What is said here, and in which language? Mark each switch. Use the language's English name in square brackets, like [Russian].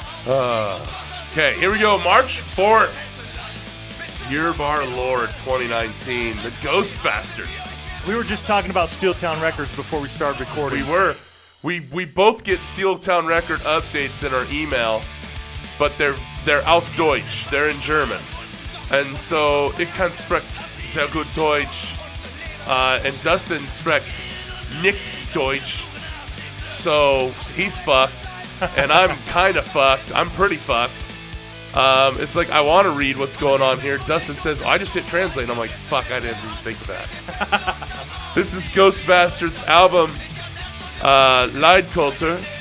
[English] Okay, here we go. March 4th. Year of Our Lord 2019, the Ghostbusters. We were just talking about Steel Town Records before we started recording. We were. We both get Steel Town Record updates in our email, but they're [German] auf Deutsch. [English] They're in German. And so, [German] ich kann sprech sehr gut Deutsch, [English] and Dustin [German] sprecht nicht Deutsch. [English] So, he's fucked, and I'm kind of fucked. I'm pretty fucked. It's like, I want to read what's going on here. Dustin says, I just hit translate. And I'm like, fuck, I didn't even think of that. This is Ghostbusters album, Leidkultur.